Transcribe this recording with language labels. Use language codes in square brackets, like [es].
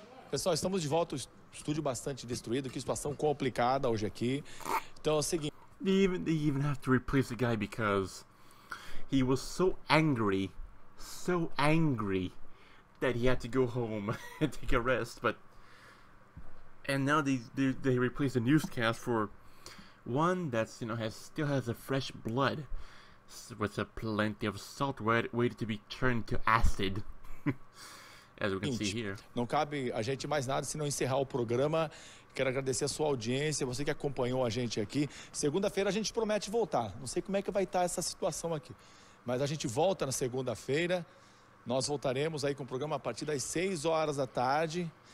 [pt] Pessoal, estamos de volta. O estúdio bastante destruído. Que situação complicada hoje aqui. Então, [en] they even have to replace the guy because he was so angry that he had to go home and take a rest. But and now they replace the newscast for one that's has a fresh blood with a plenty of salt waiting to be turned to acid. As we can see here. [pt] Não cabe a gente mais nada senão encerrar o programa. Quero agradecer a sua audiência, você que acompanhou a gente aqui. Segunda-feira a gente promete voltar. Não sei como é que vai estar essa situação aqui. Mas a gente volta na segunda-feira. Nós voltaremos aí com o programa a partir das 6 horas da tarde.